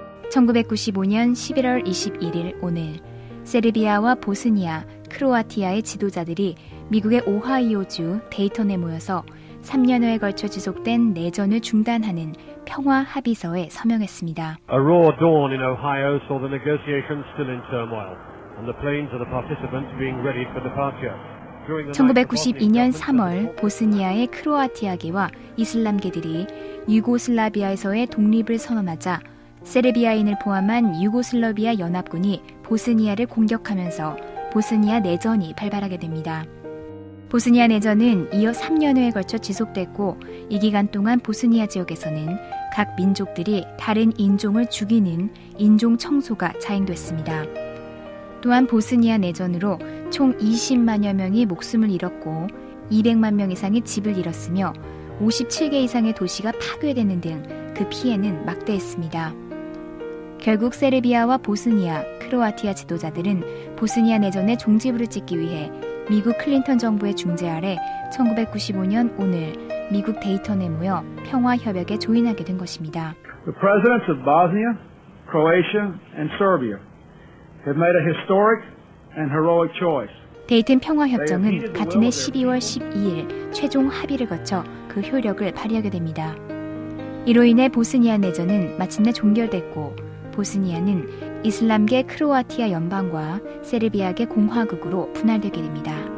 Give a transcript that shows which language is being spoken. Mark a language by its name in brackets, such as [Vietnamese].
[Korean] 1995년 11월 21일 오늘 세르비아와 보스니아, 크로아티아의 지도자들이 미국의 오하이오주 데이턴에 모여서 3년여에 걸쳐 지속된 내전을 중단하는 평화 합의서에 서명했습니다. [English] A raw dawn in Ohio saw the negotiations still in turmoil and the planes of the participants being ready for departure. [Korean] 1992년 3월 보스니아의 크로아티아계와 이슬람계들이 유고슬라비아에서의 독립을 선언하자 세르비아인을 포함한 유고슬라비아 연합군이 보스니아를 공격하면서 보스니아 내전이 발발하게 됩니다. 보스니아 내전은 이어 3년 후에 걸쳐 지속됐고 이 기간 동안 보스니아 지역에서는 각 민족들이 다른 인종을 죽이는 인종 청소가 자행됐습니다. 또한 보스니아 내전으로 총 20만여 명이 목숨을 잃었고 200만 명 이상이 집을 잃었으며 57개 이상의 도시가 파괴되는 등 그 피해는 막대했습니다. 결국 세르비아와 보스니아, 크로아티아 지도자들은 보스니아 내전의 종지부를 찍기 위해 미국 클린턴 정부의 중재 아래 1995년 오늘 미국 데이턴에 모여 평화 협약에 조인하게 된 것입니다. [English] The presidents of Bosnia, Croatia, and Serbia have made a historic and heroic choice. [Korean] 데이턴 평화 협정은 같은 해 12월 12일 최종 합의를 거쳐 그 효력을 발휘하게 됩니다. 이로 인해 보스니아 내전은 마침내 종결됐고 보스니아는 이슬람계 크로아티아 연방과 세르비아계 공화국으로 분할되게 됩니다.